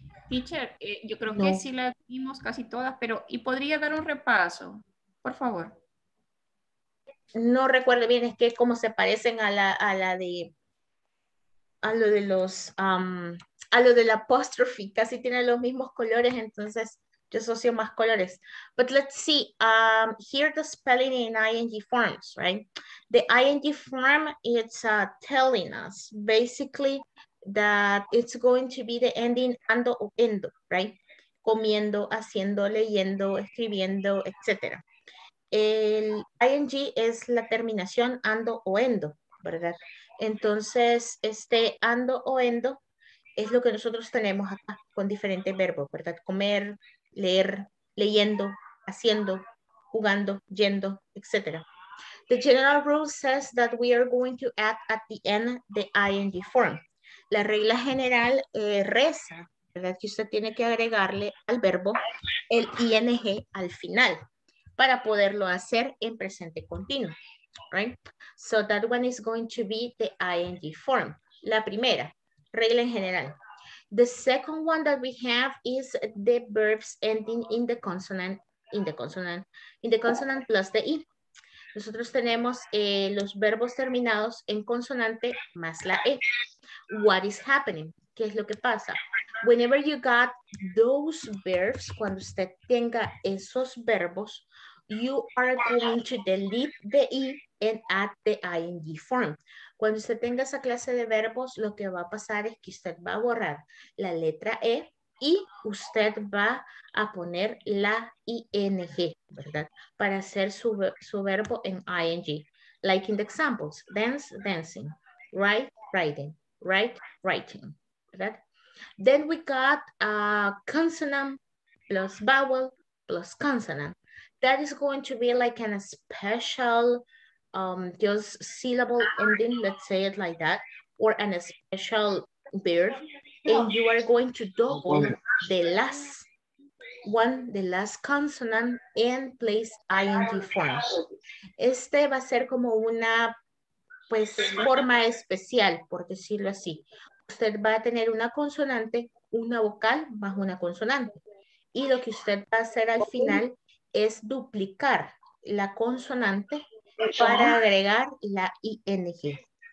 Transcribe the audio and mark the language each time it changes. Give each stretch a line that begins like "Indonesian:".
Spanish: Teacher, yo creo no. Que sí las vimos casi todas, pero ¿y podría dar un repaso? Por favor. No recuerdo bien, es que como se parecen a lo de los, a lo del apóstrofe, casi tienen los mismos colores, entonces yo asocio más colores.
English: But let's see, here the spelling in ING forms, right? The ING form, it's telling us basically that it's going to be the ending ando o endo, right?
Spanish: Comiendo, haciendo, leyendo, escribiendo, etc. El ING es la terminación ando o endo, ¿verdad? Entonces, este ando o endo es lo que nosotros tenemos acá con diferentes verbos, ¿verdad? Comer, leer, leyendo, haciendo, jugando, yendo, etc.
English: The general rule says that we are going to add at the end the ING form.
Spanish: La regla general reza, ¿verdad? Que usted tiene que agregarle al verbo el ING al final para poderlo hacer en presente continuo, right?
English: So that one is going to be the ING form.
Spanish: La primera, regla en general.
English: The second one that we have is the verbs ending in the consonant, plus the I.
Spanish: Nosotros tenemos los verbos terminados en consonante más la E.
English: What is happening?
Spanish: ¿Qué es lo que pasa?
English: Whenever you got those verbs,
Spanish: cuando usted tenga esos verbos,
English: you are going to delete the E and add the ING form.
Spanish: Cuando usted tenga esa clase de verbos, lo que va a pasar es que usted va a borrar la letra E y usted va a poner la ING, ¿verdad? Para hacer su, verbo en ING.
English: Like in the examples, dance, dancing, write, writing, write, writing, ¿verdad? Then we got a consonant plus vowel plus consonant. That is going to be like an special just syllable ending, let's say it like that, or an special verb, and you are going to double the last one, the last consonant, and place ING form.
Spanish: Este va a ser como una pues forma especial, por decirlo así. Usted va a tener una consonante, una vocal más una consonante, y lo que usted va a hacer al final es duplicar la consonante para agregar la ING.